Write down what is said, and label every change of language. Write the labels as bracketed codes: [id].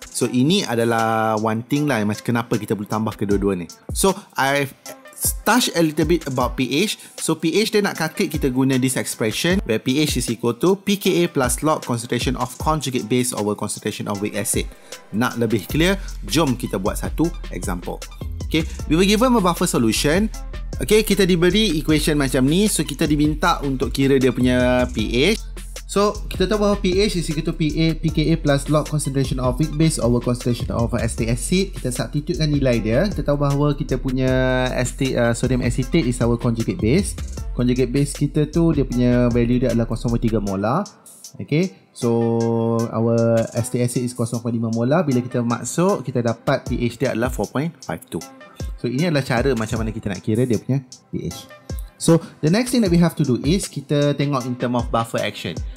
[ms] So ini adalah [en] one thing [ms] lah, macam kenapa kita perlu tambah kedua-dua ni. [en] So I've touched a little bit about pH. So pH [ms] dia nak calculate, kita guna [en] this expression where pH is equal to pKa plus log concentration of conjugate base over concentration of weak acid. [ms] Nak lebih clear, jom kita buat satu example. [en] Okay, we were given a buffer solution. [ms] Okay, kita diberi equation macam ni. So kita diminta untuk kira dia punya pH. [en] So, [ms] kita tahu bahawa [en] pH is equal to pKa plus log concentration of weak base over concentration of acetic acid. [ms] Kita substitutekan nilai dia. Kita tahu bahawa kita punya [en] sodium acetate is our conjugate base. [ms] Conjugate base kita tu, dia punya value dia adalah 0.3 molar. [en] Okay, so our acetic acid is 0.5 molar. [ms] Bila kita masuk, kita dapat pH dia adalah 4.52. So, ini adalah cara macam mana kita nak kira dia punya pH. [en] So, the next thing that we have to do is [ms] kita tengok [en] in term of buffer action.